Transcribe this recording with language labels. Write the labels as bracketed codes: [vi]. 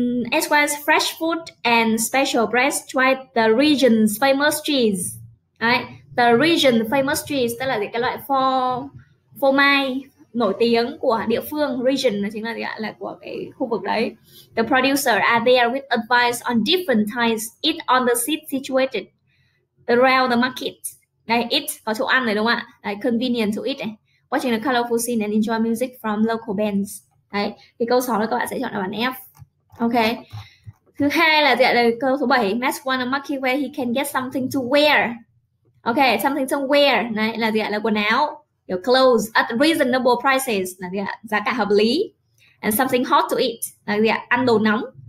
[en] As well as fresh food and special breads, try the region's famous cheese. [vi] Đấy, [en] the region famous cheese [vi] tức là cái loại phô mai nổi tiếng của địa phương, region chính là gì ạ, là của cái khu vực đấy. [en] The producer are there with advice on different types, eat on the seat situated around the market. [vi] Đây, eat có chỗ ăn này đúng không ạ? Đấy, [en] convenient to eat [vi] này. [en] Watching the colorful scene and enjoy music from local bands. [vi] Đấy, thì câu 6 là các bạn sẽ chọn là bản F. [en] Ok. [vi] Thứ hai là dạ đây, câu số 7. [en] Max want a market where he can get something to wear. [vi] Ok, [en] something to wear. [vi] Đấy, là gì ạ? Là quần áo. [en] Your clothes at reasonable prices. [vi] Là gì ạ? Giá cả hợp lý. [en] And something hot to eat. [vi] Là gì ạ? Ăn đồ nóng.